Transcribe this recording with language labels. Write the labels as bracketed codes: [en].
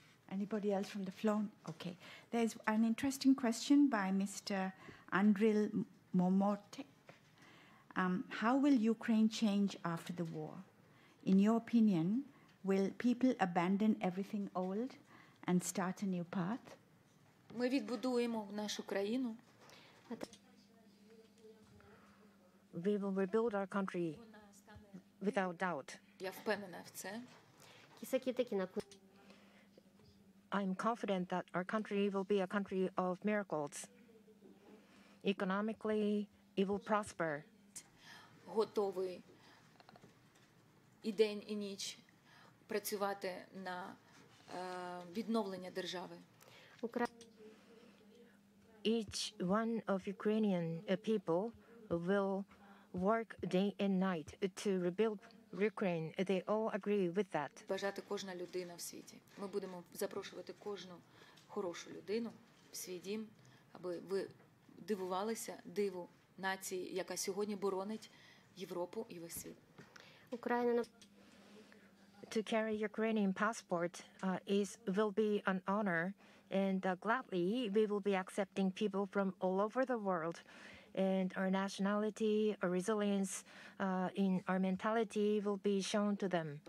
[en] Anybody else from the floor? Okay. There's an interesting question by Mr. Andril Momotek. How will Ukraine change after the war? In your opinion, will people abandon everything old and start a new path? [uk] Ми відбудуємо нашу країну. [en] We will rebuild our country without doubt. [uk] Я впевнена в це. [en] I'm confident that our country will be a country of miracles. Economically, it will prosper. [uk] Готовий і день, і ніч працювати на відновлення держави. [en] Each one of Ukrainian people will work day and night to rebuild Ukraine. They all agree with that. [uk] Бажати кожна людина в світі. Ми будемо запрошувати кожну хорошу людину в світі, аби ви дивувалися диву нації, яка сьогодні боронить Європу і весь світ. Україна на [en] To carry Ukrainian passport will be an honor, and gladly we will be accepting people from all over the world, and our nationality, our resilience in our mentality will be shown to them.